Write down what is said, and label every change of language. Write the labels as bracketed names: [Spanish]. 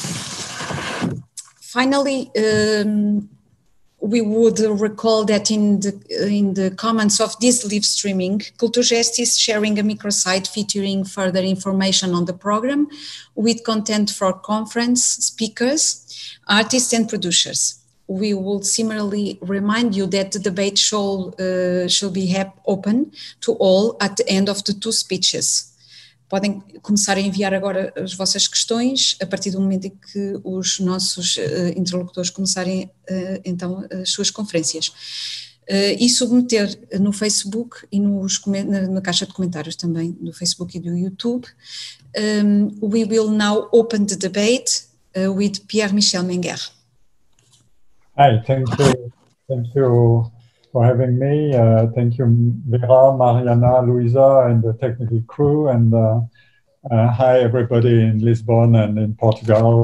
[English] Finally, we would recall that in the comments of this live streaming, CulturGest is sharing a microsite featuring further information on the program with content for conference speakers, artists and producers. We will similarly remind you that the debate shall be open to all at the end of the two speeches. [Portuguese] Podem começar a enviar agora as vossas questões a partir do momento em que os nossos interlocutores começarem então as suas conferências. E submeter no Facebook e na caixa de comentários também do Facebook e do YouTube. [English] We will now open the debate with Pierre-Michel Menger. Hi, thank you. Thank you, for having me. Thank you, Vera, Mariana, Luisa, and the technical crew. And hi, everybody in Lisbon and in Portugal.